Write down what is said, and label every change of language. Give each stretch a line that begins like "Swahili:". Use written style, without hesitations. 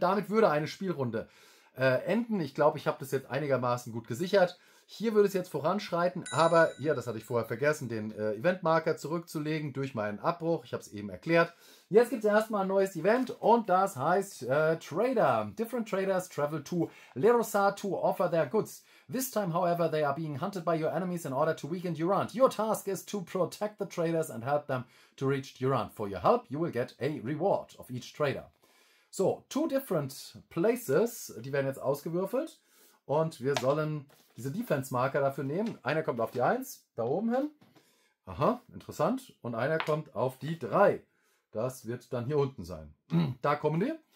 German: Damit würde eine Spielrunde enden. Ich glaube, ich habe das jetzt einigermaßen gut gesichert. Hier würde es jetzt voranschreiten. Aber hier, das hatte ich vorher vergessen, den Eventmarker zurückzulegen durch meinen Abbruch. Ich habe es eben erklärt. Jetzt gibt es erstmal ein neues Event und das heißt Trader.
English: Different traders travel to Lerosa to offer their goods. This time, however, they are being hunted by your enemies in order to weaken Durant. Your task is to protect the traders and help them to reach Durant. For your help, you will get a reward of each trader.
German: So,
English: two different places,
German: die werden jetzt ausgewürfelt. Und wir sollen diese Defense-Marker dafür nehmen. Einer kommt auf die 1, da oben hin. Aha, interessant. Und einer kommt auf die 3. Das wird dann hier unten sein. Da kommen die.